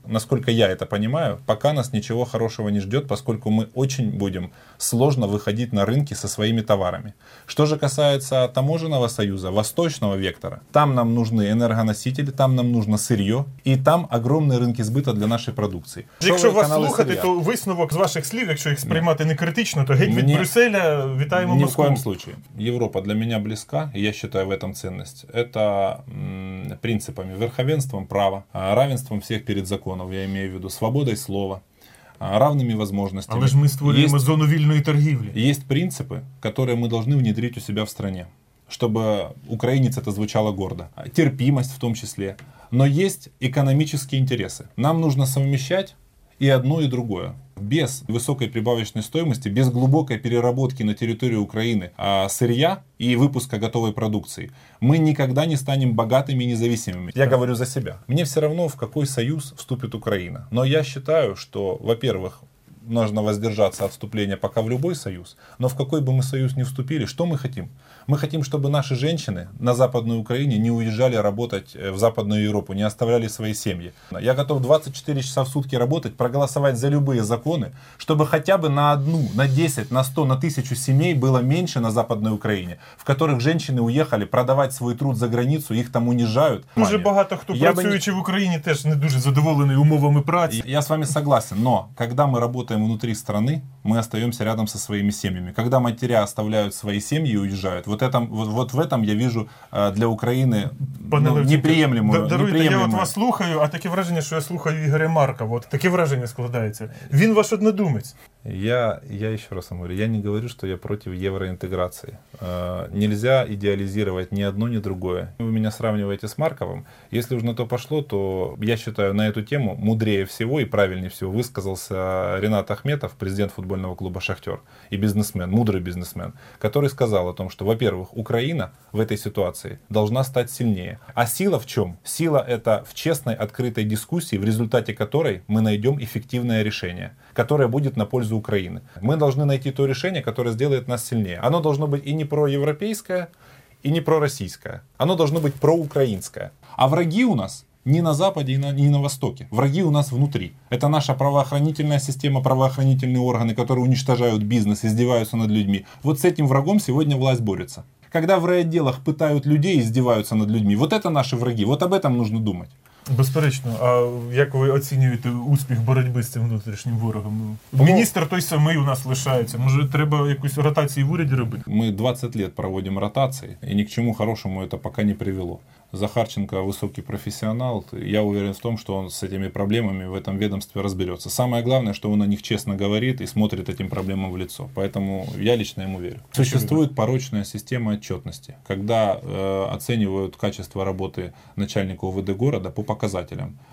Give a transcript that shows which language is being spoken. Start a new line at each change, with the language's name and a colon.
Russian: Насколько я это понимаю, пока нас ничего хорошего не ждет, поскольку мы очень будем сложно выходить на рынки со своими товарами. Что же касается таможенного союза, восточного вектора, там нам нужны энергоносители, там нам нужно сырье, и там огромные рынки сбыта для нашей продукции. Если вас слушать,
Ukrainian: то висновок с ваших слов, если их сприймати не критично, то геть від Брюсселя, вітаємо Москву.
Russian: Ни в коем случае. Европа для меня близка, и я считаю в этом ценность. Это принципами, верховенством права, равенством всех перед законом, я имею в виду свободой слова, равными возможностями.
Ukrainian: Але ж ми створюємо зону вільної торгівлі.
Russian: Есть принципы, которые мы должны внедрить у себя в стране, чтобы украинец это звучало гордо. Терпимость в том числе. Но есть экономические интересы. Нам нужно совмещать и одно, и другое. Без высокой прибавочной стоимости, без глубокой переработки на территории Украины сырья и выпуска готовой продукции, мы никогда не станем богатыми и независимыми. Я говорю за себя. Мне все равно, в какой союз вступит Украина. Но я считаю, что, во-первых, нужно воздержаться от вступления пока в любой союз. Но в какой бы мы союз ни вступили, что мы хотим? Мы хотим, чтобы наши женщины на Западной Украине не уезжали работать в Западную Европу, не оставляли свои семьи. Я готов 24 часа в сутки работать, проголосовать за любые законы, чтобы хотя бы на одну, на 10, на 100, на 1000 семей было меньше на Западной Украине, в которых женщины уехали продавать свой труд за границу, их там унижают. Уже много кто,
Ukrainian: працюючи в Украине, тоже не дуже задоволений умовами праці.
Russian: Я с вами согласен, но когда мы работаем внутри страны, мы остаемся рядом со своими семьями. Когда матеря оставляют свои семьи и уезжают, вот в этом я вижу для Украины неприемлемую.
Ukrainian: Я от вас слухаю, а таке враження, що я слухаю Ігоря Марка. Вот таке враження складається. Він ваш однодумець.
Russian: Я еще раз вам говорю, я не говорю, что я против евроинтеграции. Нельзя идеализировать ни одно, ни другое. Вы меня сравниваете с Марковым. Если уж на то пошло, то я считаю, на эту тему мудрее всего и правильнее всего высказался Ринат Ахметов, президент футбольного клуба «Шахтер» и бизнесмен, мудрый бизнесмен, который сказал о том, что, во-первых, Украина в этой ситуации должна стать сильнее. А сила в чем? Сила — это в честной, открытой дискуссии, в результате которой мы найдем эффективное решение, которое будет на пользу Украины. Мы должны найти то решение, которое сделает нас сильнее. Оно должно быть и не проевропейское, и не пророссийское. Оно должно быть проукраинское. А враги у нас не на Западе и не на Востоке. Враги у нас внутри. Это наша правоохранительная система, правоохранительные органы, которые уничтожают бизнес, издеваются над людьми. Вот с этим врагом сегодня власть борется. Когда в райотделах пытают людей, издеваются над людьми. Вот это наши враги. Вот об этом нужно думать.
Ukrainian: Безперечно. А як ви оцінюєте успіх боротьби з цим внутрішнім ворогом? Міністр той самий у нас лишається. Може, треба якусь ротацію в уряді робити? Ми 20 років проводимо ротації, і ні к чому хорошому це поки не привело.
Russian: Захарченко высокий профессионал. Я уверен в том, что он с этими проблемами в этом ведомстве разберется. Самое главное, что он о них честно говорит и смотрит этим проблемам в лицо. Поэтому я лично ему верю. Существует порочная система отчетности, когда оценивают качество работы начальника УВД города по показателям.